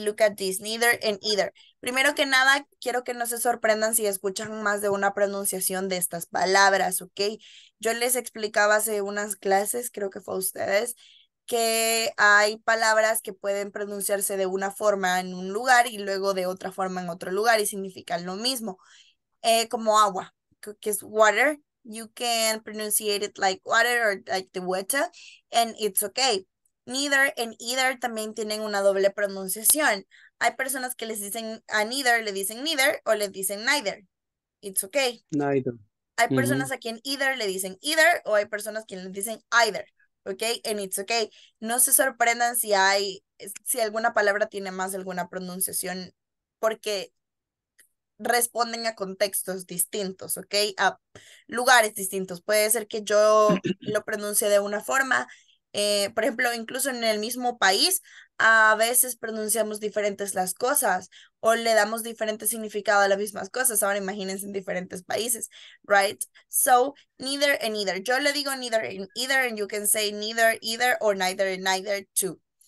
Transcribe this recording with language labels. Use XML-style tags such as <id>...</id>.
<en>Look at this, neither and either.</en> <es>Primero que nada, quiero que no se sorprendan si escuchan más de una pronunciación de estas palabras, ¿ok? Yo les explicaba hace unas clases, creo que fue a ustedes, que hay palabras que pueden pronunciarse de una forma en un lugar y luego de otra forma en otro lugar y significan lo mismo. Como agua, que es water.</es> <en>You can pronunciate it like water or like the water and it's okay.</en> <es>Neither and either también tienen una doble pronunciación. Hay personas que les dicen a neither, le dicen neither, o le dicen neither.</es> <en>It's okay. Neither.</en> <es>Hay personas a quien either le dicen either, o hay personas que les dicen either.</es> <en>Okay, and it's okay.</en> <es>No se sorprendan si alguna palabra tiene más alguna pronunciación, porque responden a contextos distintos, okay, a lugares distintos. Puede ser que yo lo pronuncie de una forma. Por ejemplo, incluso en el mismo país, a veces pronunciamos diferentes las cosas o le damos diferente significado a las mismas cosas. Ahora imagínense en diferentes países, right?</es> <en>So, neither and either.</en> <es>Yo le digo</es> <en>neither and either, and you can say neither either or neither and neither too.</en>